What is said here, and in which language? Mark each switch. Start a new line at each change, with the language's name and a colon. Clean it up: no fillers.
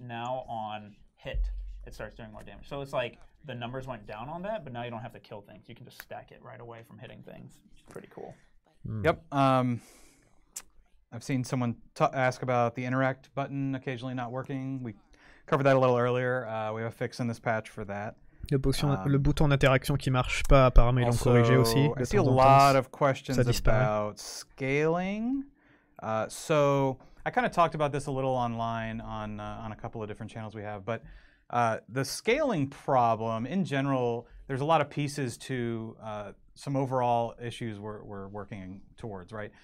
English: Now, on hit, it starts doing more damage. So, it's like, the numbers went down on that, but now you don't have to kill things. You can just stack it right away from hitting things. Pretty cool. Mm. Yep. I've seen someone ask about the interact button occasionally not working. We covered that a little earlier. We have a fix in this patch for that.
French: Le bouton d'interaction qui marche pas, apparemment, ils l'ont corrigé aussi.
English: I see a lot of questions about scaling. So I kind of talked about this a little online on a couple of different channels we have, but the scaling problem in general, there's a lot of pieces to some overall issues we're working towards, right?